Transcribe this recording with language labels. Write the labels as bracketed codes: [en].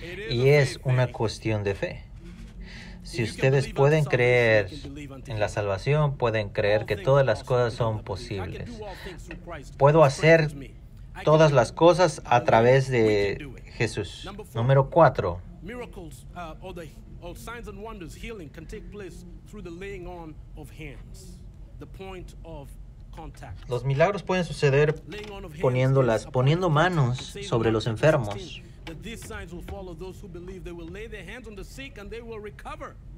[es] Y es una cuestión de fe. Si ustedes pueden creer en la salvación, pueden creer que todas las cosas son posibles. Puedo hacer todas las cosas a través de Jesús. Número 4. [en] Miracles or signs and wonders, healing can take place through the laying on of hands. The point of contact. [es] Los milagros pueden suceder poniendo manos sobre los enfermos. [en] These signs will follow those who believe. They will lay their hands on the sick and they will recover.